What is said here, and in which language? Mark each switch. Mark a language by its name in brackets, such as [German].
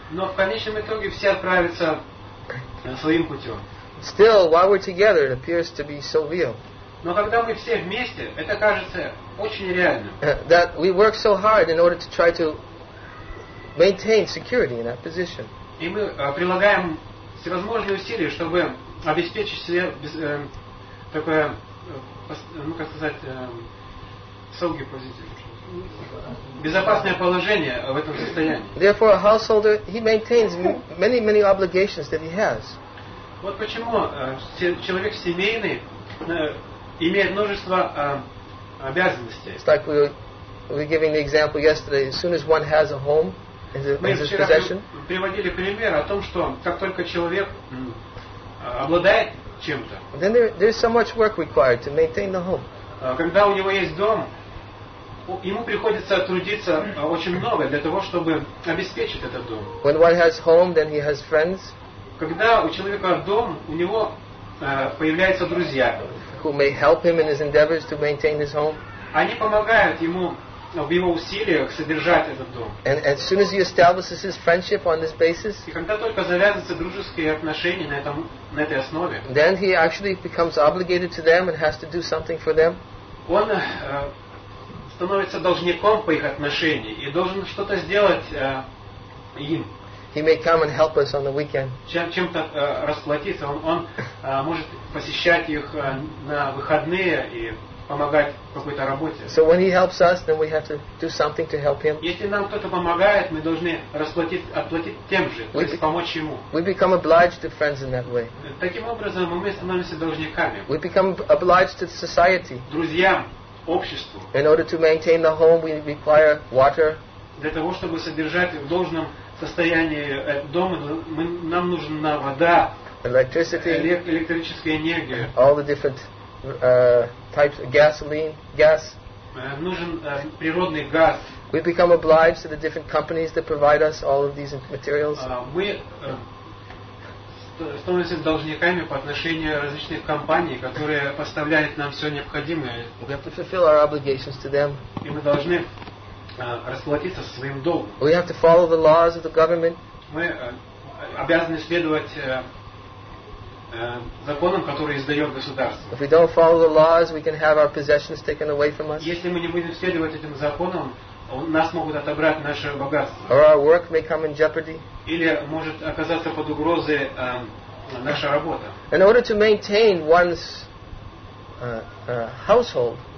[Russian] Но в конечном итоге все отправятся своим путем. [English] Still, while we're together, it appears to be so real. [Russian] Но когда мы все вместе, это кажется очень реальным. [English] That we work so hard in order to try to maintain security in that position. [Russian] И мы прилагаем всевозможные усилия, чтобы обеспечить себе такое, ну как сказать, солги позицию. Безопасное положение в этом состоянии. [English] Therefore, a householder, he maintains many, many obligations that he has. [Russian] Вот почему человек семейный имеет множество обязанностей. [English] It's like we were giving the example yesterday. As soon as one has a home, his possession. [Russian] Мы вчера приводили пример о том, что как только человек обладает чем-то. [English] Then there's so much work required to maintain the home. [Russian] Когда у него есть дом, ему приходится трудиться очень много для того, чтобы обеспечить этот дом. [English] When one has home, then he has friends. [Russian] Когда у человека дом, у него появляются друзья. [English] Who may help him in his endeavors to maintain his home. [Russian] Они помогают ему в его усилиях содержать этот дом. [English] And as soon as he establishes his friendship on this basis, [Russian] и когда только завязываются дружеские отношения на этой основе, [English] then he actually becomes obligated to them and has to do something for them. [Russian] Он становится должником по их отношению и должен что-то сделать им. [English] He may come and help us on the weekend. [Russian] Чем-то расплатиться. Он может посещать их на выходные и помогать какой-то работе. [English] So when he helps us, then we have to do something to help him. [Russian] Если нам кто-то помогает, мы должны отплатить тем же, то есть помочь ему. [English] We become obliged to friends in that way. [Russian] Таким образом мы становимся должниками. [English] We become obliged to society. [Russian] Друзьям, обществу. [English] In order to maintain the home, we require water. [Russian] Для того, чтобы содержать в должном состоянии дом, нам нужна вода, [English] electricity, [Russian] электрическая энергия. [English] All the different types of gasoline, gas. [Russian] Нужен природный газ. [English] We become obliged to the different companies that provide us all of these materials. [Russian] Мы становимся должниками по отношению различных компаний, которые поставляют нам все необходимое. [English] We have to fulfill our obligations to them. [Russian] И мы должны расплатиться со своим долгом. [English] We have to follow the laws of the government. [Russian] Мы обязаны следовать законам, которые издает государство. [English] If we don't follow the laws, we can have our possessions taken away from us. [Russian] Если мы не будем следовать этим законам, нас могут отобрать наше богатство. [English] Or our work may come in jeopardy. [Russian] Или может оказаться под угрозой наша работа. [English] In order to maintain one's household,